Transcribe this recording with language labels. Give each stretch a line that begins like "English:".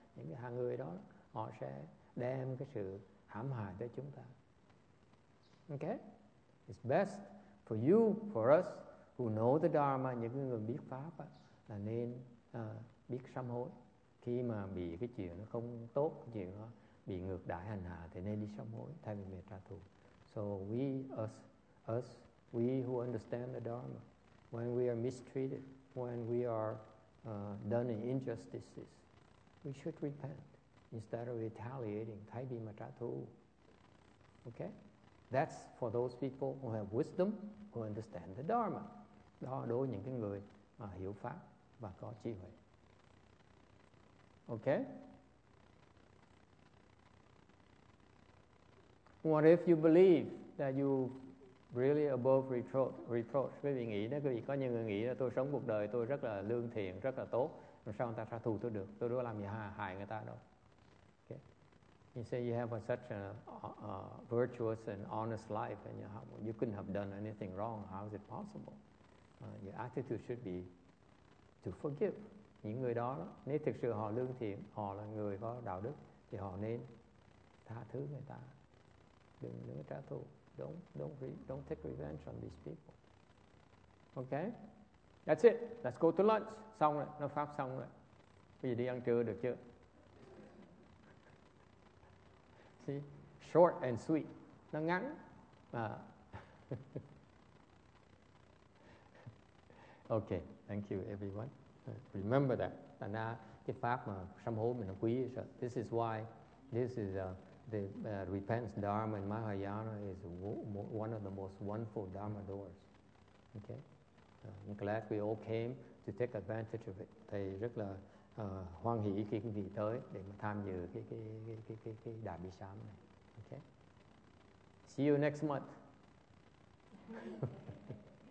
Vietnamese: Những cái hạng người đó, họ sẽ đem cái sự hãm hại tới chúng ta. Okay?
English: It's best for you, for us, who know the Dharma,
Vietnamese: những người biết Pháp, là nên biết sám hối. Khi mà bị cái chuyện nó không tốt, cái chuyện nó bị ngược đãi hành hạ, thì nên đi sám hối, thay vì mệt trả thù.
English: So we who understand the Dharma, when we are mistreated, when we are done in injustices, we should repent instead of retaliating,
Vietnamese: thay vì mà trả thù.
English: Okay? That's for those people who have wisdom, who understand the Dharma.
Vietnamese: Đó đối với những cái người mà hiểu Pháp và có trí huệ.
English: Okay? What if you believe that you really above reproach?
Vietnamese: Quý vị nghĩ đó, quý vị có những người nghĩ là tôi sống cuộc đời tôi rất là lương thiện, rất là tốt. Làm sao người ta trả thù tôi được? Tôi đâu làm gì hại người ta đâu.
English: You say you have such a virtuous and honest life, and you couldn't have done anything wrong. How is it possible? Your attitude should be to forgive.
Vietnamese: Những người đó, nếu thực sự họ lương thiện, họ là người có đạo đức, thì họ nên tha thứ người ta. Đừng trả thù.
English: Don't take revenge on these people. Okay? That's it. Let's go to lunch.
Vietnamese: Xong rồi, nó pháp xong rồi. Bây giờ đi ăn trưa được chưa?
English: See? Short and sweet.
Vietnamese: Nó ngắn.
English: Okay, thank you everyone. Remember that.
Vietnamese: Tana cái pháp mà sám hối mình nó quý.
English: So this is why this is the repentance dharma in Mahayana is one of the most wonderful dharma doors. Okay? I'm glad we all came to take advantage of it.
Vietnamese: Thầy rất là hoan hỷ khi quý vị tới để mà tham dự cái đại bi sám này. Okay?
English: See you next month.